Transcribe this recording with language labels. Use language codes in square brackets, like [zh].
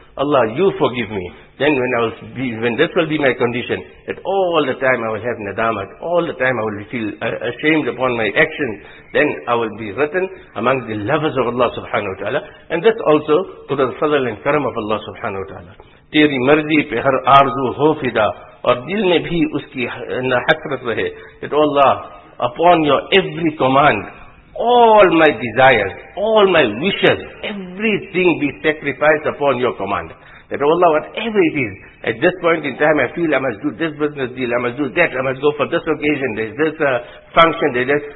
[en] Allah, you forgive me. Then when this will be my condition, that all the time I will have nadamat, all the time I will feel ashamed upon my actions, then I will be written among the lovers of Allah subhanahu wa ta'ala. And that's also to the fadl and karam of Allah subhanahu wa ta'ala. [ur] Teri marzi pe har arzu ho fida. اور دل میں بھی اس کی حسرت رہے. [en] That, oh Allah, upon your every command, all my desires, all my wishes, everything be sacrificed upon your command. That, oh Allah, whatever it is, at this point in time, I feel I must do this business deal, I must do that, I must go for this occasion, there's this function, there's this.